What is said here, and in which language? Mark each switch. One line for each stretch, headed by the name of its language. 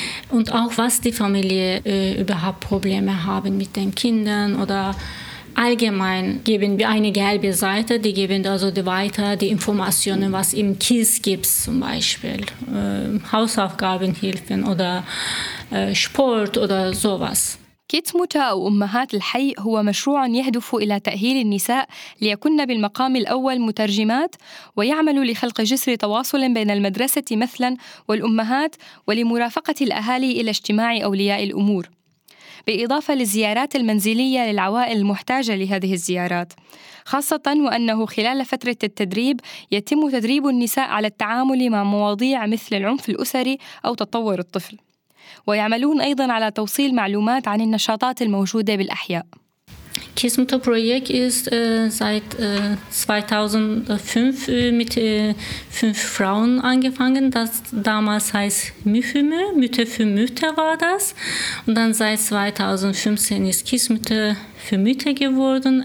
German: Und auch, was die Familie überhaupt Probleme haben mit den Kindern. Oder allgemein geben wir eine gelbe Seite, die geben also weiter die Informationen, was im KIS gibt zum Beispiel. Hausaufgabenhilfen oder Sport oder sowas.
Arabic: كيتسموتر أو أمهات الحي هو مشروع يهدف إلى تأهيل النساء ليكن بالمقام الأول مترجمات ويعمل لخلق جسر تواصل بين المدرسة مثلا والأمهات ولمرافقة الأهالي إلى اجتماع أولياء الأمور بإضافة للزيارات المنزلية للعوائل المحتاجة لهذه الزيارات خاصة وأنه خلال فترة التدريب يتم تدريب النساء على التعامل مع مواضيع مثل العنف الأسري أو تطور الطفل ويعملون أيضاً على توصيل معلومات عن النشاطات الموجودة بالأحياء.
German: Kiezmütter Projekt ist seit 2005 mit 5 Frauen angefangen. Das damals heißt Mühüme, Mütter für Mütter war das. Und dann seit 2015 ist Kiezmütter für Mütter geworden.